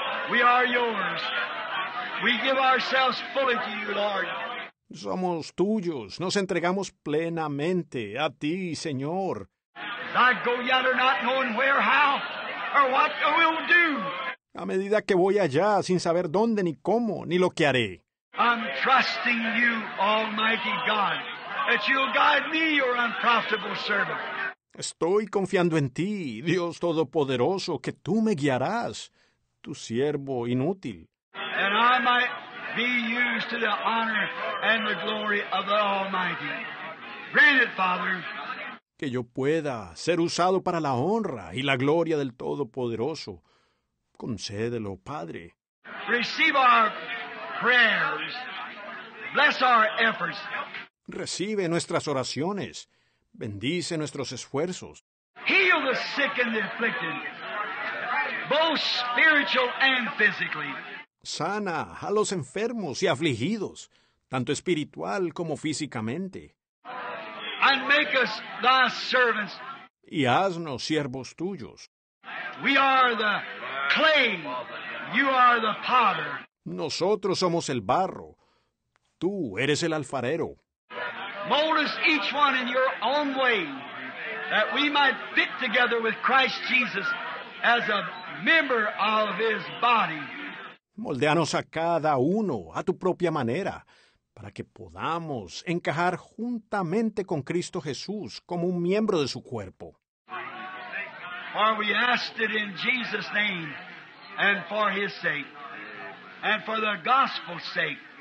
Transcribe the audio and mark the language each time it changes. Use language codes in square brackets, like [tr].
[en] We are yours. We give ourselves fully to you, Lord. [es] Somos tuyos. Nos entregamos plenamente a ti, Señor. [en] I go yonder not knowing where, how, or what I will do. [es] A medida que voy allá, sin saber dónde, ni cómo, ni lo que haré. [en] I'm trusting you, Almighty God, that you'll guide me, your unprofitable servant. [es] Estoy confiando en ti, Dios Todopoderoso, que tú me guiarás. Tu siervo inútil. [en] And I might be used to the honor and the glory of the Almighty. Grant it, Father. [es] Que yo pueda ser usado para la honra y la gloria del Todopoderoso. Concédelo, Padre. [en] Receive our prayers. Bless our efforts. [es] Recibe nuestras oraciones. Bendice nuestros esfuerzos. [en] Heal the sick and the afflicted. Both spiritual and physically. [es] Sana a los enfermos y afligidos, tanto espiritual como físicamente. [en] And make us thy servants. [es] Y haznos siervos tuyos. [en] We are the clay, you are the potter. [es] Nosotros somos el barro, tú eres el alfarero. [en] Mold us each one in your own way, that we might fit together with Christ Jesus as a member of his body. [es] Moldéanos a cada uno a tu propia manera para que podamos encajar juntamente con Cristo Jesús como un miembro de su cuerpo. [en] For we ask it in Jesus' name and for his sake and for the gospel's sake.